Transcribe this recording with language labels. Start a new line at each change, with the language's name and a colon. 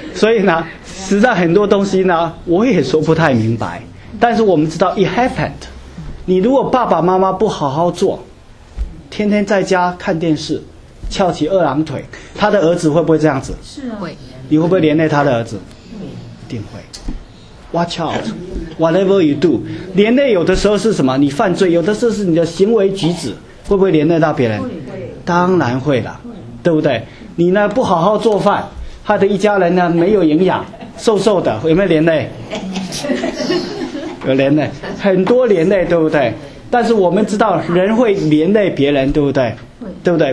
Chinese: 所以呢，实在很多东西呢，我也说不太明白。但是我们知道 ， it happened。你如果爸爸妈妈不好好做，天天在家看电视，翘起二郎腿，他的儿子会不会这样子？是啊。你会不会连累他的儿子？会。一定会。
English: Watch out， whatever you do，连累有的时候是什么？
Chinese: 你犯罪，有的时候是你的行为举止，会不会连累到别人？会。当然会了。对不对？你呢不好好做饭，害得一家人呢没有营养，瘦瘦的，有没有连累？有连累，很多连累，对不对？但是我们知道人会连累别人，对不对？对不对？